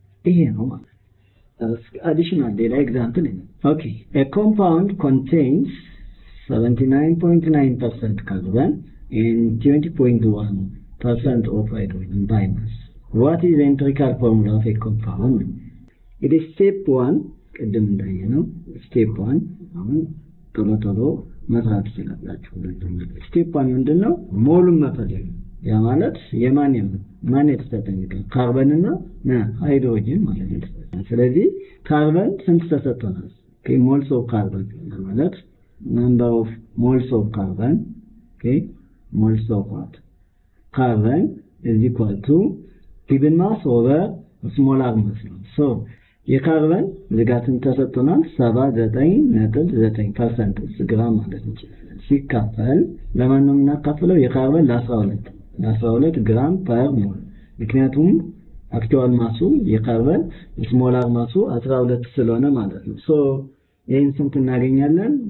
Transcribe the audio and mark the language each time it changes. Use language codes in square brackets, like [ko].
[am] ይሄ ነው ማለት [en] አዲሽናል ዴታ ኤግዛምፕል ነው ኦኬ አ ኮምፓውንድ ኮንቴይንስ 79.9% carbon and 20.1% of hydrogen by mass. What is the empirical formula of a compound? It is step 1, [am] ቀደም እንደያየነው step 1 አሁን ቶሎ መስራት ይችላልላችሁ step 1 ምንድነው? ሞሉን መፈለግ ያ ማለት የማን የተሰጠኝ carbon እና hydrogen ማለት ነው። ስለዚህ carbon ስንት ተሰጠናል? [en] Okay, moles of carbon ማለት number of moles of carbon okay moles of what carbon is equal to given mass over molar mass so [am] የካርበን ዝጋትን ተሰጥቷል 79.9% ግራም ማለት ነው። ሲካፈል ለማን ነው የሚያካፍለው? የካርበን ለ12 ግራም ፐር ሞል። ምክንያቱም አክቹዋል ማሱ የካርበን ስሞላር ማሱ 12 ስለሆነ ማለት ነው። ሶ ይሄን ስንት እናገኛለን?